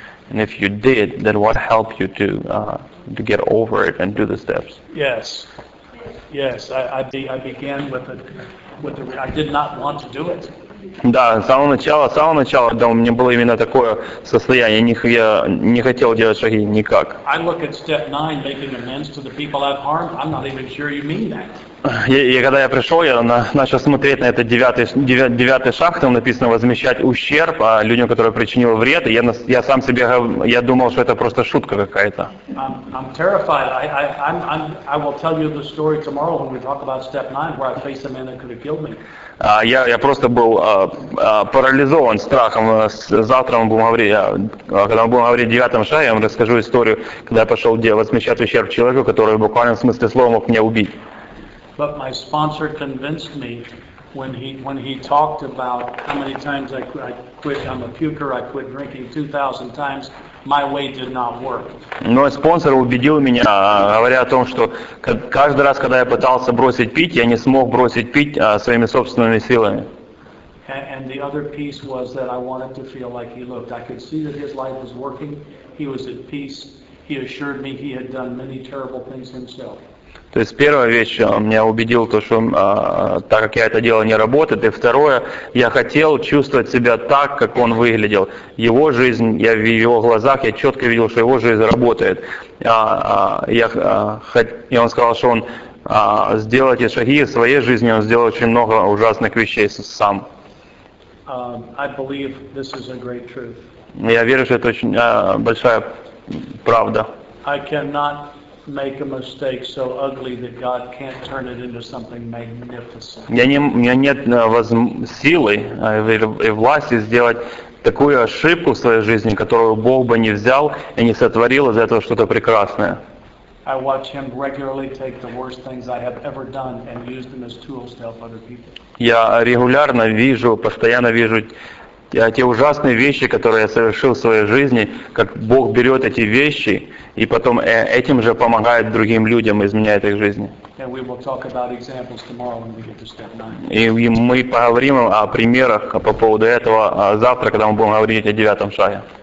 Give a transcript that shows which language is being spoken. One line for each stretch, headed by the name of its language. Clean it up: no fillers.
English: And if you did, then what helped you to get over it and do the steps? Yes. Yes, I began with I did not want to do it.
Russian: Да, с самого начала, да, у меня было именно такое состояние, я не хотел делать шаги никак.
English: I look at step 9, making amends to the people I've harmed, I'm not even sure you mean that.
Russian: Когда я пришел, я начал смотреть на этот девятый шаг, там написано возмещать ущерб людям, которые причинили вред, и я сам себе думал, что это просто шутка какая-то.
English: I'm terrified. I will tell you the story tomorrow when we talk about step 9, where I faced a man that could have killed me.
Russian: Я просто был парализован страхом. Завтра мы будем говорить, когда мы будем говорить о девятом шаге, я вам расскажу историю, когда я пошел возмещать ущерб человеку, который в буквальном смысле слова мог меня убить.
English: But my sponsor convinced me when he talked about how many times I quit, I'm a puker, I quit drinking 2,000 times, my way did not work.
Russian: Но спонсор убедил меня, говоря о том, что каждый раз, когда я пытался бросить пить, я не смог бросить пить своими собственными силами.
English: And the other piece was that I wanted to feel like he looked. I could see that his life was working, he was at peace, he assured me he had done many terrible things himself.
Russian: То есть первая вещь меня убедила, то, что так как я это делал, не работает. И второе, я хотел чувствовать себя так, как он выглядел. Его жизнь, я в его глазах, я четко видел, что его жизнь работает. И он сказал, что он сделал эти шаги в своей жизни, он сделал очень много ужасных вещей сам.
English: I believe this is a great truth.
Russian: Я верю, что это очень большая правда.
English: I cannot make a mistake so ugly that God can't turn it into something magnificent.
Russian: Я нет силы и власти сделать такую ошибку в своей жизни, которую Бог бы не взял и не сотворил из этого что-то прекрасное.
English: I watch him regularly take the worst things I have ever done and use them as tools to help other people.
Russian: Я регулярно вижу, постоянно вижу те ужасные вещи, которые я совершил в своей жизни, как Бог берет эти вещи и потом этим же помогает другим людям, изменяет их жизни. И мы поговорим о примерах по поводу этого завтра, когда мы будем говорить о девятом шаге.